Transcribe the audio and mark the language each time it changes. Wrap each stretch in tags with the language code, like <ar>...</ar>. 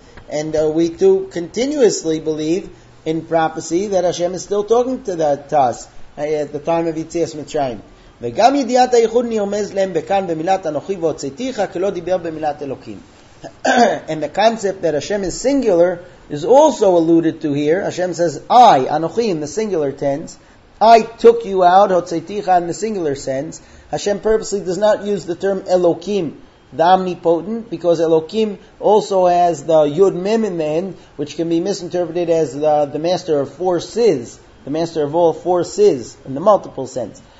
<en>And we too continuously believe in prophecy that Hashem is still talking to us at the time of Yetzias Mitzrayim.</en> <he>וגם ידיעת הייחוד נרמז להם בכאן במילת אנוכי והוצאתיך כלא דיבר במילת אלוקים.</he> <en>And the concept that Hashem is singular is also alluded to here. Hashem says, I, anochi, in the singular tense, I took you out, hotzeiticha, in the singular sense. Hashem purposely does not use the term Elohim the omnipotent, because Elohim also has the Yud Mem in the end, which can be misinterpreted as the master of four sis, the master of all four sis in the multiple sense.</en>